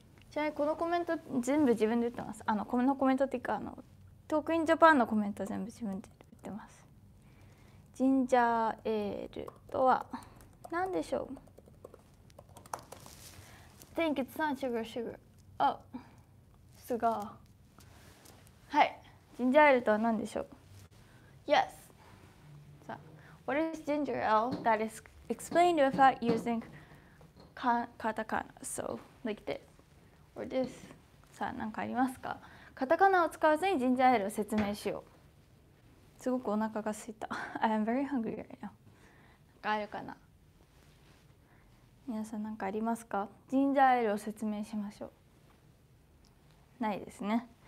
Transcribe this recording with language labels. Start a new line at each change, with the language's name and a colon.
Japanese: ちなみにこのコメント全部自分で言ってます。あのコメントっていうか、あのトークインジャパンのコメント全部自分で言ってます。ジンジャーエールとは何でしょう。
English: Think it's not sugar sugar.
Japanese: あ、すが。はい、ジンジャーエールとは何でしょう。
English: Yes. So, what is ginger ale that is explained without using katakana? So, like thisOr this.
Japanese: さあ何かありますか。カタカナを使わずにジンジャーエールを説明しよう。すごくお腹が空いた。
English: I am very hungry right now.
Japanese: 何かあるかな。皆さん何かありますか。ジンジャーエールを説明しましょう。ないですね。